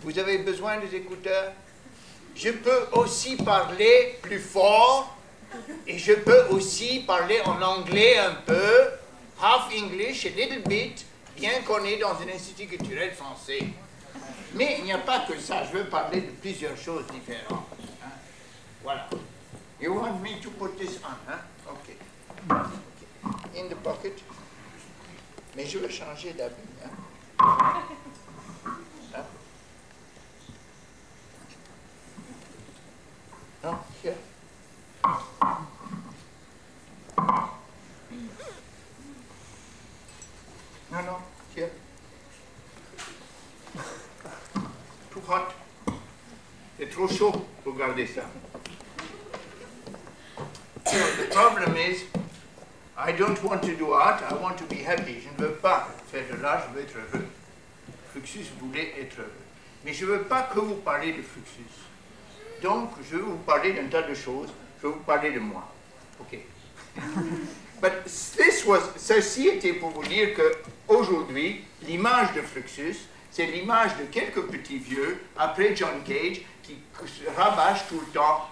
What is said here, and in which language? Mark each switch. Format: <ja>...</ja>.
<fr>Vous avez besoin des écouteurs? Je peux aussi parler plus fort et je peux aussi parler en anglais un peu,</fr> <en>half English, a little bit,</en> <fr>bien qu'on est dans un institut culturel français. Mais il n'y a pas que ça, je veux parler de plusieurs choses différentes. Hein? Voilà.</fr> <en>You want me to put this on, hein? Okay. Okay. In the pocket.</en> <fr>Mais je vais changer d'habit. Hein? Non, non, tiens.</fr> <en>Too hot.</en> <fr>C'est trop chaud pour garder ça.</fr> <en>So the problem is, I don't want to do art, I want to be happy.</en> <fr>Je ne veux pas faire de l'art, je veux être heureux. Fluxus voulait être heureux. Mais je ne veux pas que vous parliez de Fluxus. Donc, je vais vous parler d'un tas de choses. Je vais vous parler de moi. OK.</fr> <en>But this was,</en> <fr>ceci était pour vous dire qu'aujourd'hui, l'image de Fluxus, c'est l'image de quelques petits vieux, après John Cage, qui rabâche tout le temps.</fr>